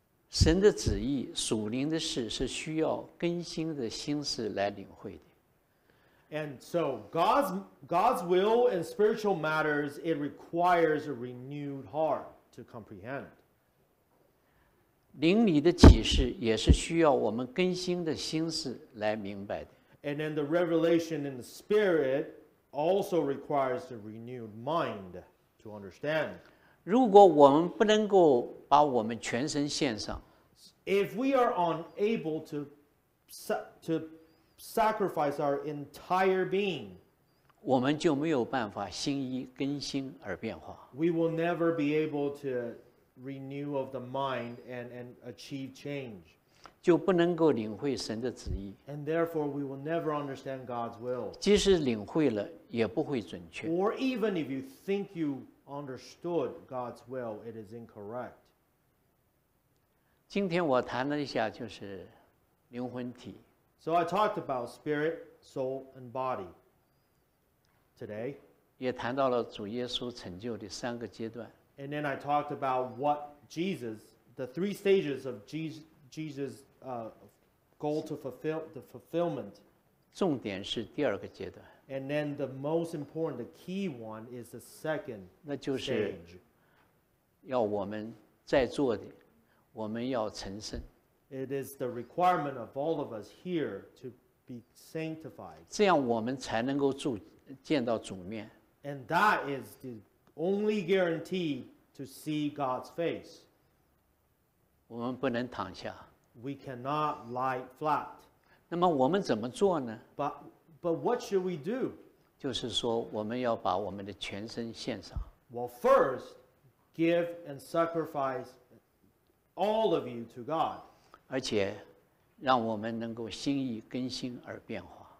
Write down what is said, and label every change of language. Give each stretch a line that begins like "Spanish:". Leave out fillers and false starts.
Chinese: 神的旨意，属灵的事，是需要更新的心思来领会的。
English: And so God's will in spiritual matters, it requires a renewed heart to comprehend.
Chinese: 灵里的启示也是需要我们更新的心思来明白的。
English: And then the revelation in the spirit also requires a renewed mind to understand.
Chinese: 如果我们不能够把我们全身献上，
English: If we are unable to sacrifice our entire being,
Chinese: 我们就没有办法心意更新而变化。
English: We will never be able to. Renew of the mind and achieve change.
Chinese: 就不能够领会神的旨意。
English: And therefore, we will never understand God's will.
Chinese: 即使领会了，也不会准确。
English: Or even if you think you understood God's will, it is incorrect.
Chinese: 今天我谈了一下就是灵魂体。
English: So I talked about spirit, soul, and body today.
Chinese: 也谈到了主耶稣成就的三个阶段。
English: And then I talked about what Jesus, the three stages of Jesus' goal to fulfill, the fulfillment.
Chinese: 重点是第二个阶段。
English: And then the most important, the key one, is the second stage.
Chinese: 那就是要我们在座的，我们要成圣。
English: It is the requirement of all of us here to be sanctified.
Chinese: 这样我们才能够见到主面。
English: And that is the... Only guarantee to see God's face.
Chinese: 我们不能躺下。
English: We cannot lie flat.
Chinese: 那么我们怎么做呢？
English: But what should we do?
Chinese: 就是说我们要把我们的全身献上。
English: Well, first, give and sacrifice all of you to God.
Chinese: 而且让我们能够心意更新而变化。